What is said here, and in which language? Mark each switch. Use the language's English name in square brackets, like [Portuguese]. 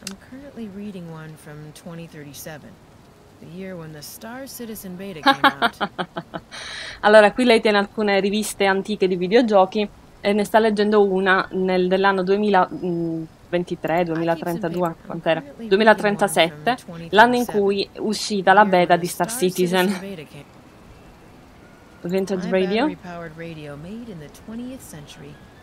[English] I'm currently reading one from 2037, the year when the Star Citizen Beta came out. [Italian] Allora, qui lei tiene alcune riviste antiche di videogiochi e ne sta leggendo una dell'anno 2023, 2032, quant'era? 2037, l'anno in cui è uscita la beta di Star Citizen. [English] Vintage radio. My battery-powered radio made in the 20th century.